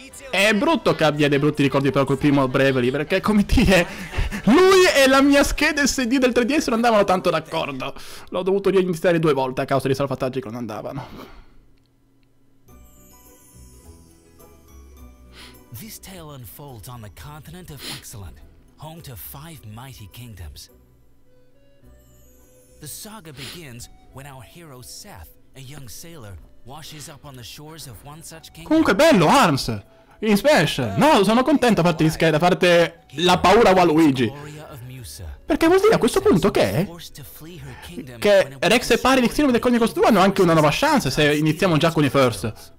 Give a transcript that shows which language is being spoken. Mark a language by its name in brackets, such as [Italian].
[Italian] È brutto che abbia dei brutti ricordi però col primo Bravely, perché come dire, lui e la mia scheda SD del 3DS non andavano tanto d'accordo. L'ho dovuto riiniziare due volte a causa dei salvataggi che non andavano. [English] This tale unfolds on the continent of Exilent, home to five mighty kingdoms. The saga begins when our hero Seth, a young sailor, washes up on the shores of one such kingdom. [Italian] Comunque bello Arms. In Smash! No, sono contento a parte di scheda, a parte la paura Waluigi. Perché vuol dire a questo punto che... Che Rex e Pari di Xenoblade Chronicles 2 hanno anche una nuova chance se iniziamo già con i first.